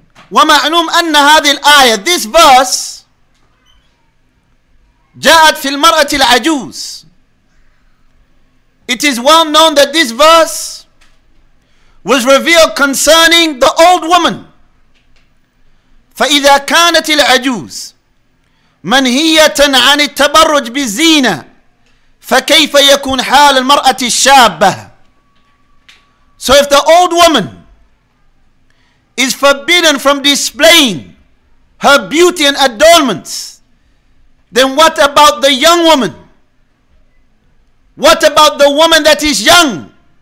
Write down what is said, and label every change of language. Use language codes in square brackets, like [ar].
[ar] ومعلوم أن هذه الآية, [en] this verse, [ar] جاءت في المرأة العجوز. [en] It is well known that this verse was revealed concerning the old woman. [ar] فإذا كانت العجوز منهية عن التبرج بالزينة فكيف يكون حال المرأة الشابة. [en] So if the old woman is forbidden from displaying her beauty and adornments, then what about the young woman? What about the woman that is young?